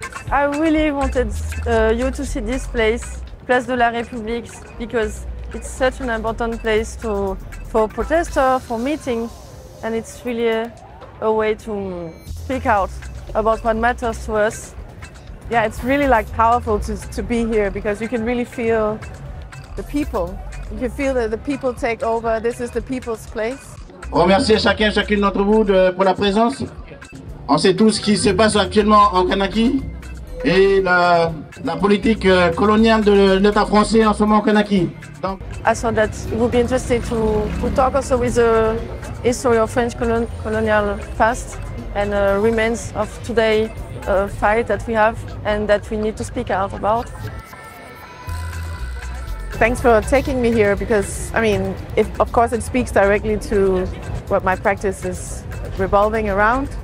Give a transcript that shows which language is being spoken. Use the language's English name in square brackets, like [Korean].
[English] I really wanted you to see this place, Place de la République, because it's such an important place for protesters, for meeting, and it's really a way to speak out about what matters to us. Yeah, it's really like powerful to be here because you can really feel the people. You can feel that the people take over. This is the people's place. [French] Remercier chacun et chacune d'entre vous pour la présence. On sait tous ce qui se passe actuellement en Kanaky et la politique coloniale de l'État français en ce moment en Kanaky. [English] Donc, I thought that it would be interesting to talk also with the history of French colonial past and remains of today. A fight that we have and that we need to speak out about. Thanks for taking me here because, I mean, if, of course it speaks directly to what my practice is revolving around.